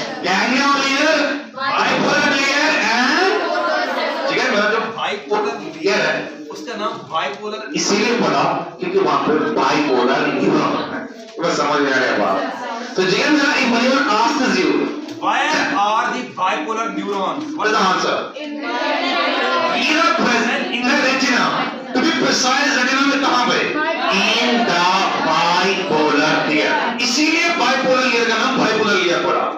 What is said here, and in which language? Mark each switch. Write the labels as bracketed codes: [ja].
[en] Ganglion layer, bipolar layer and [hi] ठीक है मेरा जो bipolar layer है उसका नाम bipolar. इसीलिए बोला क्योंकि वहाँ पे bipolar नहीं होता है. मैं समझ नहीं आ रहा बात. तो जिगर मेरा एक बार और आस्क कर दियो. [en] Where are the bipolar neurons? What is the answer? In the present in the retina. To be precise, [hi] retina में कहाँ पे? [en] In the bipolar layer. [hi] इसीलिए bipolar layer का नाम bipolar layer पड़ा.